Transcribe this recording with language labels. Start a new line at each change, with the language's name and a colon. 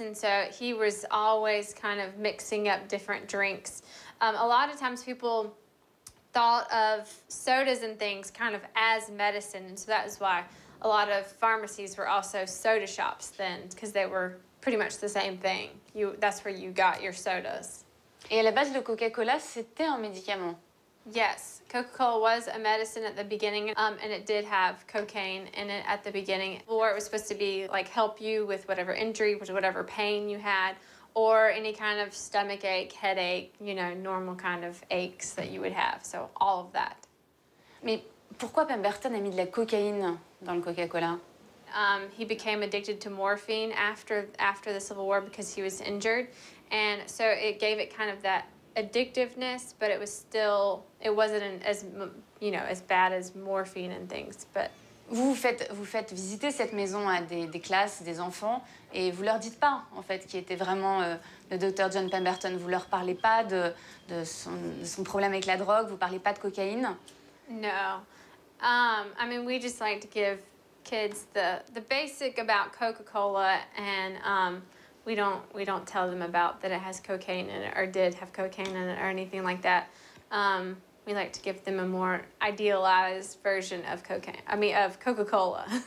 English: And so he was always kind of mixing up different drinks. A lot of times people thought of sodas and things kind of as medicine. And so that is why a lot of pharmacies were also soda shops then, because they were pretty much the same thing. That's where you got your sodas.
French: Et à la base, le Coca-Cola, c'était un médicament.
English: Yes, Coca-Cola was a medicine at the beginning, and it did have cocaine in it at the beginning. Or it was supposed to be, like, help you with whatever injury, whatever pain you had, or any kind of stomach ache, headache, you know, normal kind of aches that you would have. So all of that.
French: Mais pourquoi Pemberton a mis de la cocaïne dans le Coca-Cola?
English: He became addicted to morphine after the Civil War because he was injured. And so it gave it kind of that addictiveness, but it wasn't as bad as morphine and things. But
French: vous faites visiter cette maison à des classes, des enfants, et vous leur dites pas en fait qui était vraiment le docteur John Pemberton. Vous leur parlez pas de son problème avec la drogue. Vous parlez pas de cocaïne.
English: No, I mean we just like to give kids the basic about Coca-Cola and. We don't tell them about that it has cocaine in it or did have cocaine in it or anything like that. We like to give them a more idealized version of Coca-Cola.